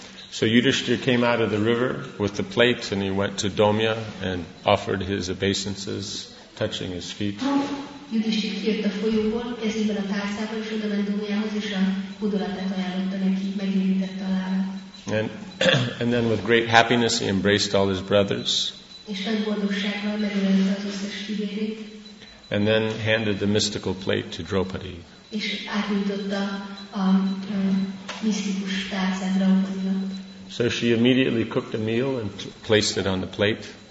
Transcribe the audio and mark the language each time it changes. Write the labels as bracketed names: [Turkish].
[English] So Yudhishthir came out of the river with the plate, and he went to Domya and offered his obeisances, touching his feet. [Hungarian] Yudhishthir kijött a folyóból, kezében a tárcával, és oda ment Dómiához, és a udvarlását ajánlotta neki, megérintette a lábát. [English] And then with great happiness he embraced all his brothers. [Hungarian] És nagy boldogsággal megölelte az összes fivérét. [English] And then handed the mystical plate to Draupadi. [Hungarian] És átnyújtotta a misztikus tárcát Draupadinak. [English] So she immediately cooked a meal and placed it on the plate.